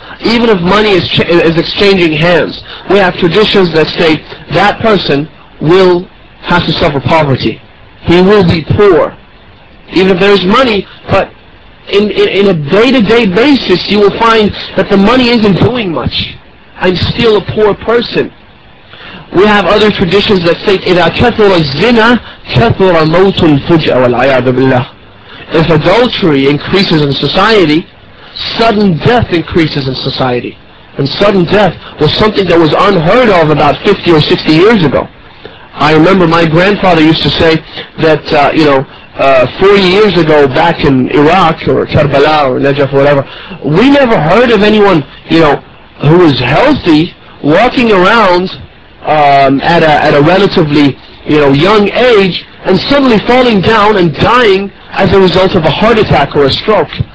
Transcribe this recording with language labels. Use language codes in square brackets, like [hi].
[en] Even if money is exchanging hands, we have traditions that state that person will have to suffer poverty. He will be poor, even if there's money, but in a day-to-day basis, you will find that the money isn't doing much. I'm still a poor person. We have other traditions that say, [ar] إِذَا كَثُرَ الزِّنَا كَثُرَ مَوْتُ الْفُجْءَ وَالْعَيَادُ بِاللَّهِ. [en] If adultery increases in society, sudden death increases in society. And sudden death was something that was unheard of about 50 or 60 years ago. I remember my grandfather used to say that, 40 years ago back in Iraq or Karbala or Najaf or whatever, we never heard of anyone, who was healthy walking around at a relatively, young age and suddenly falling down and dying as a result of a heart attack or a stroke.